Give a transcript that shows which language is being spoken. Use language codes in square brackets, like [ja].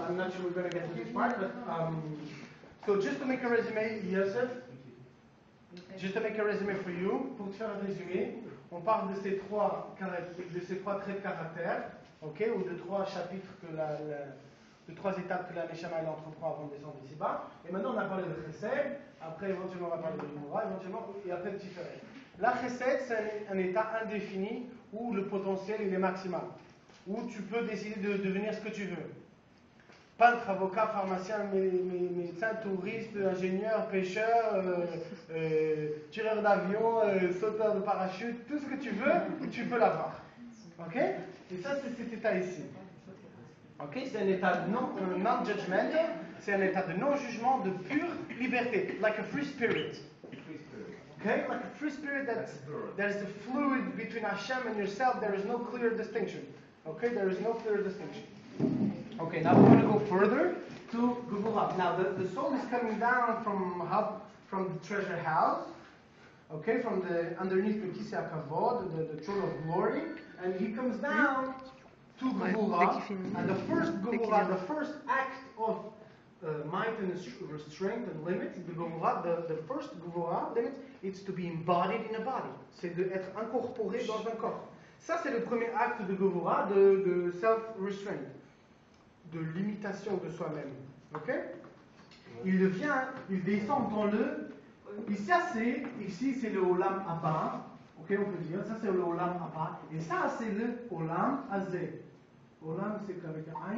[en] I'm not sure we're gonna get to this part, but so just to make a resume, Yosef. Just to make a resume for you. [fr] Pour te faire un résumé, on parle de ces trois traits de caractère, ok, ou de trois chapitres que de trois étapes que la Neshama elle entreprend avant de descendre ici-bas. Et maintenant on a parlé de Chesed. Après éventuellement on va parler de Gemara, éventuellement et après de Tiferet. La chesed, c'est un état indéfini où le potentiel il est maximal, où tu peux décider de devenir ce que tu veux. Peintre, avocat, pharmacien, médecin, touriste, ingénieur, pêcheur, tireur d'avion, sauteur de parachute, tout ce que tu veux, tu peux l'avoir. Ok ? Et ça, c'est cet état ici. Okay, c'est un état non-judgmental, c'est un état de non-jugement, de pure liberté, [en] like a free spirit. Okay, like a free spirit that is the fluid between Hashem and yourself, there is no clear distinction. Okay, there is no clear distinction. Okay, now we're going to go further to Gevurah. Now, the soul is coming down from the treasure house, okay, from the underneath the Kisei HaKavod, the throne of glory, and he comes down to Gevurah, and the first Gevurah, the first act of might and restraint and limit, the first Gevurah limit, it's to be embodied in a body. [fr] C'est d'être incorporé dans un corps. Ça, c'est le premier acte de Gevurah, de self-restraint, de limitation de soi-même. Ok? Il descend dans le... Et ça, c'est... Ici, c'est le Olam Abba. Ok, on peut dire. Ça, c'est le Olam Abba. Et ça, c'est le Olam Azeh. Olam, c'est avec un...